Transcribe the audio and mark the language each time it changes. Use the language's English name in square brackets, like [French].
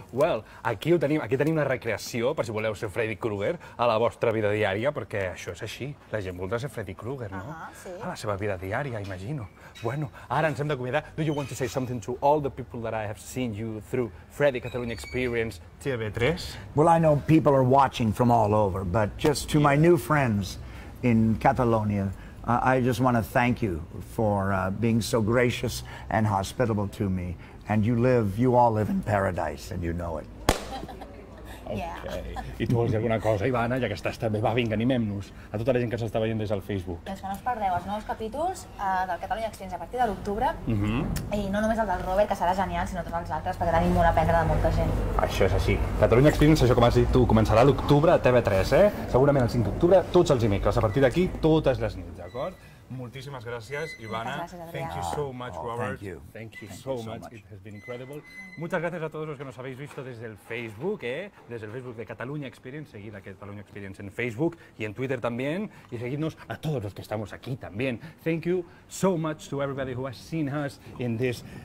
[Catalan] Well, aquí tenim una recreació per si voleu ser Freddy Krueger a la vostra vida diària, perquè això és així. La gent voldrà ser Freddy Krueger, no? Sí. A la seva vida diària, imagino. Bueno, ara ens hem d'acomiadar. [English] Do you want to say something to all the people that I have seen you through Freddy Catalunya Experience TV3? Well, I know people are watching from all over, but just to my new friends in Catalonia, I just want to thank you for being so gracious and hospitable to me. And you all live in paradise, and you know it. Okay. [Catalan] I tu vols dir alguna cosa, Ivana, ja que estàs també? Va, vinga, animem-nos. A tota la gent que s'està veient des del Facebook. Doncs que no us perdeu els nous capítols del Catalunya Experience a partir de l'octubre. Uh-huh. I no només el del Robert, que serà genial, sinó tots els altres, perquè tenim molt a aprendre de molta gent. Això és així. Catalunya Experience, això com has dit tu, començarà l'octubre a TV3, eh? Segurament el 5 d'octubre, tots els dimecres. A partir d'aquí, totes les nits, d'acord? Moltíssimes gràcies, Ivana. [English] Thank you so much, Robert. Thank you. Thank you so much. It has been incredible. [Spanish] Muchas gracias a todos los que nos habéis visto desde el Facebook, ¿eh? Desde el Facebook de Catalunya Experience, seguid a Catalunya Experience en Facebook y en Twitter también, y seguidnos a todos los que estamos aquí también. [English] Thank you so much to everybody who has seen us in this...